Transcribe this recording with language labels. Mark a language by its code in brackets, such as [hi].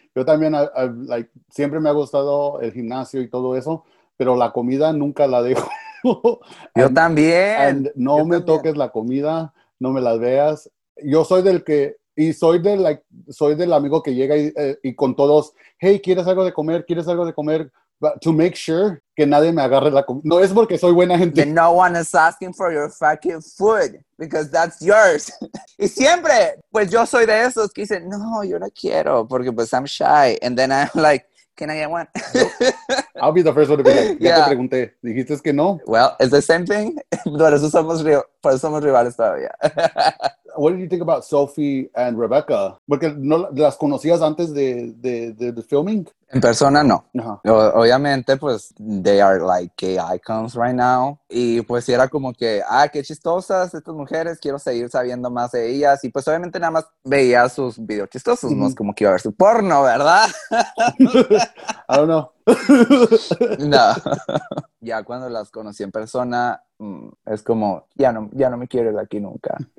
[es] Yo también, like, siempre me ha gustado el gimnasio y todo eso, pero la comida nunca la dejo. Yo también. And no Yo me también. Toques la comida, no me las veas. Yo soy del que, y soy del, like, soy del amigo que llega y con todos, hey, ¿quieres algo de comer? ¿Quieres algo de comer? [en] But to make sure [es] que nadie me agarre la comida. No es porque soy buena gente. [en] And no one is asking for your fucking food because that's yours. [es] Y siempre, pues yo soy de esos que dicen, no, yo no quiero porque pues [en] I'm shy. And then I'm like, can I get one? I'll be the first one to be like, ya yeah. [es] Te pregunté, dijiste que no. [en] Well, it's the same thing. [es] Por eso somos rivales todavía. [en] What did you think about Sophie and Rebecca? [es] Porque no las conocías antes de filming? En persona, no. Uh-huh. Obviamente, pues, [en] they are like gay icons right now. [es] Y pues, era como que, ah, qué chistosas estas mujeres. Quiero seguir sabiendo más de ellas. Y pues, obviamente, nada más veía sus videos chistosos. Mm-hmm. No es como que iba a ver su porno, ¿verdad? [en] I don't know. [es] No. Ya cuando las conocí en persona, es como, ya no me quiero ir aquí nunca.